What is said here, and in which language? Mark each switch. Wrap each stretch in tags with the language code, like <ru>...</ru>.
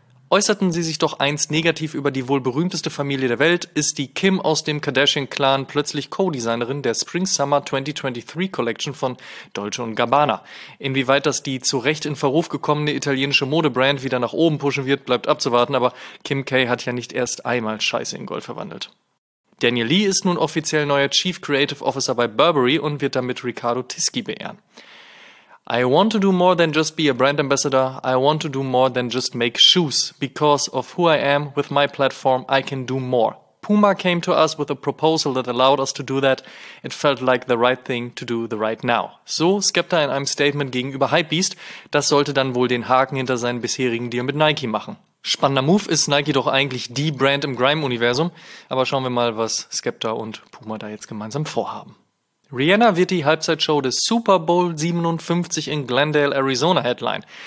<de>Äußerten sie sich doch einst negativ über die wohl berühmteste Familie der Welt, ist die Kim aus dem Kardashian-Clan plötzlich Co-Designerin der Spring-Summer 2023 Collection von Dolce & Gabbana. Inwieweit das die zu Recht in Verruf gekommene italienische Modebrand wieder nach oben pushen wird, bleibt abzuwarten, aber Kim K. hat ja nicht erst einmal Scheiße in Gold verwandelt. Daniel Lee ist nun offiziell neuer Chief Creative Officer bei Burberry und wird damit Riccardo Tisci beehren.</de> <en>I want to do more than just be a brand ambassador. I want to do more than just make shoes. Because of who I am, with my platform, I can do more. Puma came to us with a proposal that allowed us to do that. It felt like the right thing to do the right now.</en> <de>So Skepta in einem Statement gegenüber Hypebeast. Das sollte dann wohl den Haken hinter seinen bisherigen Deal mit Nike machen. Spannender Move, ist Nike doch eigentlich die Brand im Grime-Universum. Aber schauen wir mal, was Skepta und Puma da jetzt gemeinsam vorhaben. Rihanna wird die Halbzeitshow des Super Bowl 57 in Glendale, Arizona headline.</de>